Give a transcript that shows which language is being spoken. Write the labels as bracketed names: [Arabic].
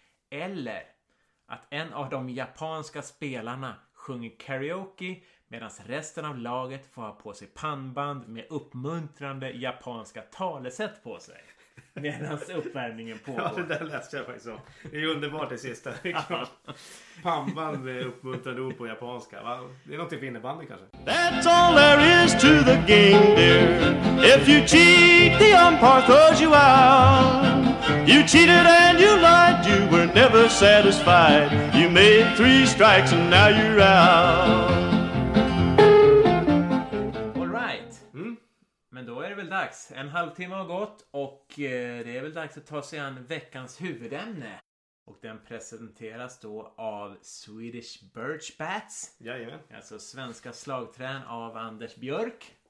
[Swedish] Eller att en av de japanska spelarna sjunger karaoke medan resten av laget får ha på sig pannband med uppmuntrande japanska talesätt på sig? Medan uppvärmningen pågår. Ja, det där läste jag faktiskt om. Det är underbart det sista. Pamban med uppmuntrande ord på japanska. Va? Det är något för innebandy kanske. [English] That's all there is to the game, dear. If you cheat, the umpire throws you out. You cheated and you lied, you were never satisfied. You made three strikes and now you're out. [Swedish] Men då är det väl dags. En halvtimme har gått och det är väl dags att ta sig an veckans huvudämne. Och den presenteras då av Swedish Birch Bats. Jajamän. Alltså svenska slagträn av Anders Björk.